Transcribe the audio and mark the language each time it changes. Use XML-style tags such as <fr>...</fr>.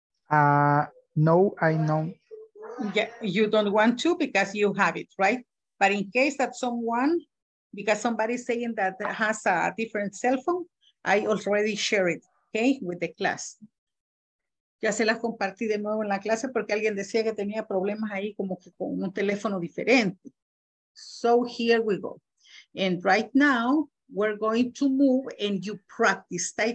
<en>No, I know. Yeah, you don't want to because you have it, right? But in case that someone, because somebody's saying that has a different cell phone, I already share it, okay, with the class.</en> <es>Ya se las compartí de nuevo en la clase porque alguien decía que tenía problemas ahí como que con un teléfono diferente.</es> <en>So here we go. And right now, we're going to move and you practice.</en>